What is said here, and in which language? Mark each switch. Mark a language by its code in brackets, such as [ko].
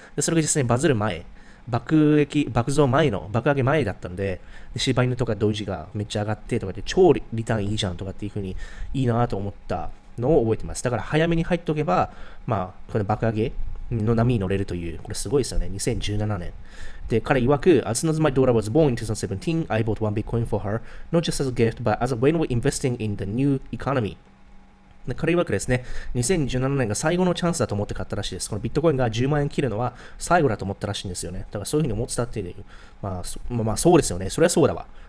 [ja] で、それが実際にバズる前、爆上げ前だったんで、柴犬とかドージがめっちゃ上がってとかで、超リターンいいじゃんとかっていうふうに、いいなと思ったのを覚えてます。だから、早めに入っておけば、まあ、この爆上げ、の波に乗れるという、これすごいですよね。 2017年。で、彼曰く、 [en] As soon as my daughter was born in 2017, I bought one Bitcoin for her, not just as a gift, but as a way of investing in the new economy. [ja] で、彼曰くですね、2017年が最後のチャンスだと思って買ったらしいです。このビットコインが10万円切るのは最後だと思ったらしいんですよね。だからそういうふうに思ってたっていう。そうですよね。それはそうだわ。